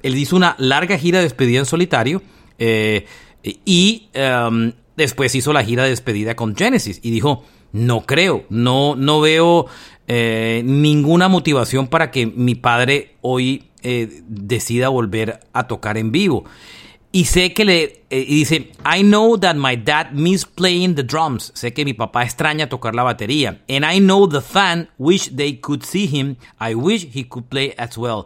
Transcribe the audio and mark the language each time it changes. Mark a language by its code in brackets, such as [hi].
[es] Él hizo una larga gira de despedida en solitario y después hizo la gira de despedida con Genesis. Y dijo, No creo, no veo ninguna motivación para que mi padre hoy decida volver a tocar en vivo. Y sé que le y dice, [en] I know that my dad miss playing the drums. [es] Sé que mi papá extraña tocar la batería. [en] And I know the fan wish they could see him. I wish he could play as well.